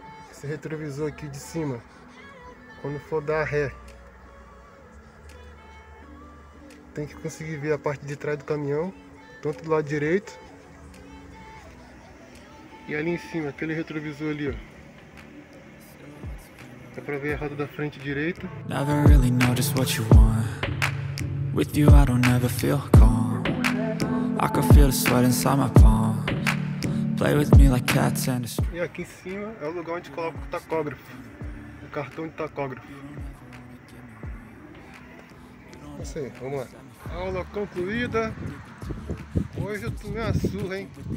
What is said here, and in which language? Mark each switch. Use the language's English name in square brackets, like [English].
[Portuguese] Esse retrovisor aqui de cima, quando for dar ré, tem que conseguir ver a parte de trás do caminhão, tanto do lado direito. E ali em cima, aquele retrovisor ali, ó. Dá pra ver a roda da frente direita. [English] Never really know just what you want. With you I don't ever feel calm. I can feel the sweat inside my palms. Play with me like cats and a string. [Portuguese] E aqui em cima é o lugar onde coloca o tacógrafo. O cartão de tacógrafo. É isso aí, vamos lá. Aula concluída. Hoje eu tomei uma surra, hein?